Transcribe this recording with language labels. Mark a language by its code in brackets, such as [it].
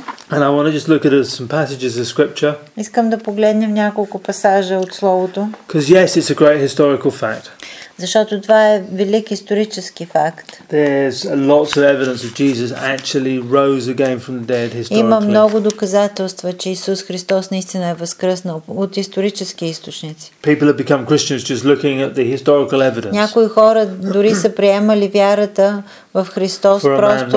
[en] And I want to just look at some passages of scripture. [bg] Искам да погледнем няколко пасажа от словото. [en] Because yes, it's a great historical fact. [bg] Защото това е велик исторически факт. [en] There's lots of evidence that Jesus actually rose again from the dead historically. [bg] Има много доказателства, че Исус Христос наистина е възкръснал от исторически източници. [en] People have become Christians just looking at the historical evidence. [bg] Някои хора дори са приемали вярата в Христос просто